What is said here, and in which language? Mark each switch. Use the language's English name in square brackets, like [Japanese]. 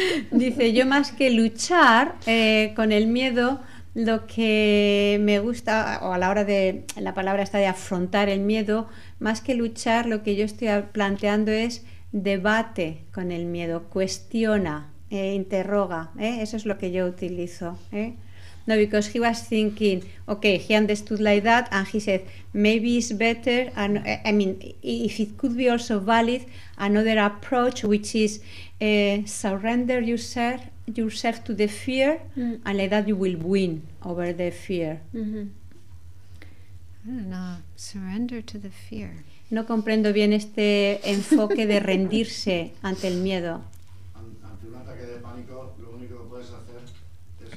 [Spanish] Dice, yo más que luchar con el miedo, lo que me gusta, o a la hora de la palabra está de afrontar el miedo, más que luchar, lo que yo estoy planteando es debate con el miedo, cuestiona, interroga, eso es lo que yo utilizo. [English] No, because he was thinking, okay, he understood like that, and he said, maybe it's better, and I mean, if it could be also valid, another approach, which is surrender yourself to the fear, and like that you will win over the fear. Mm-hmm. I don't know, surrender to the fear. [Spanish] No comprendo bien este enfoque de rendirse ante el miedo. Ante un ataque de pánico, lo único que puedes hacer es